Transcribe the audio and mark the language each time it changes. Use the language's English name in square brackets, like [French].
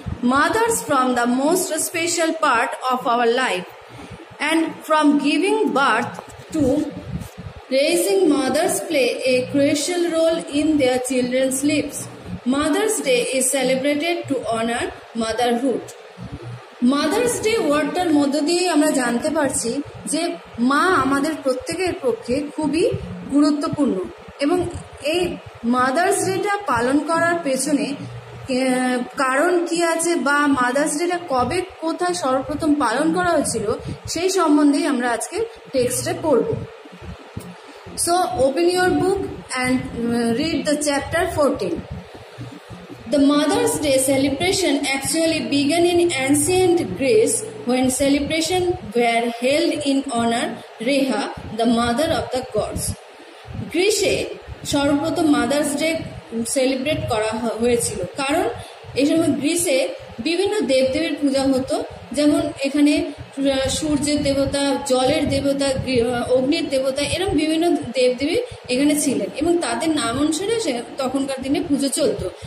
[English] Mothers from the most special part of our life and from giving birth to Raising mothers play a crucial role in their children's lives. Mother's Day is celebrated to honor motherhood. [Bangla] Mother's Day ওয়ার্ডটার মধ্য দিয়ে আমরা জানতে পারছি যে মা আমাদের প্রত্যেকের পক্ষে খুবই গুরুত্বপূর্ণ, এবং এই মাদার্স ডেটা পালন করার পেছনে কারণ কি আছে বা মাদার্স ডেটা কবে কোথায় সর্বপ্রথম পালন করা হয়েছিল সেই সম্বন্ধেই আমরা আজকে টেক্সটে পড়ব। [English] So open your book and read the chapter 14. The Mother's Day celebration actually began in ancient Greece when celebrations were held in honor Rhea, the mother of the gods. [Bangla] গ্রিসে সর্বপ্রথম মাদার্স ডে সেলিব্রেট করা হয়েছিল, কারণ এই সময় গ্রিসে বিভিন্ন দেবদেবীর পূজা হতো, যেমন এখানে সূর্যের দেবতা, জলের দেবতা, অগ্নির দেবতা, এরকম বিভিন্ন দেবদেবী এখানে ছিলেন এবং তাদের নাম অনুসারে তখনকার দিনে পুজো চলত।